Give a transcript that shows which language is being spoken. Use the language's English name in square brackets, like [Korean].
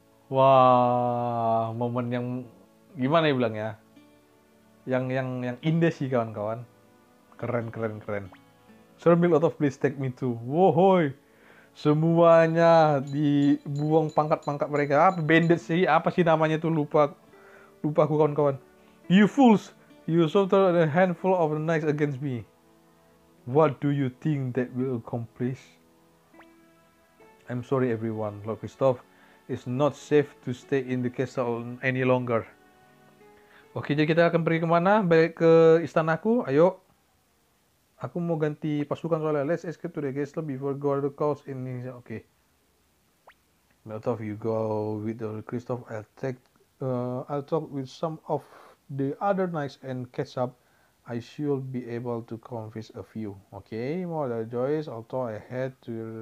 [Indonesian] Wah, momen yang gimana ya bilangnya? Yang indah sih kawan-kawan. Keren. [English] Sir Miklotov, please take me too. Wohoi. [Indonesian] Semuanya dibuang pangkat-pangkat mereka. Apa bandit sih? Apa sih namanya tuh? Lupa aku kawan-kawan. [English] You fools, you slaughtered a handful of knights against me. What do you think that will accomplish? I'm sorry everyone, Lord Christoph. It's not safe to stay in the castle any longer. [Indonesian] Oke, jadi kita akan pergi kemana? Balik ke istanaku, ayo. Aku mau ganti pasukan soalnya. [English] Let's escape to the castle before Gordo calls in. Oke. Miklotov, you go with Lord Christoph. I'll talk with some of the other knights and catch up. I should be able to convince a few. Oke, more than joyous, although I had to...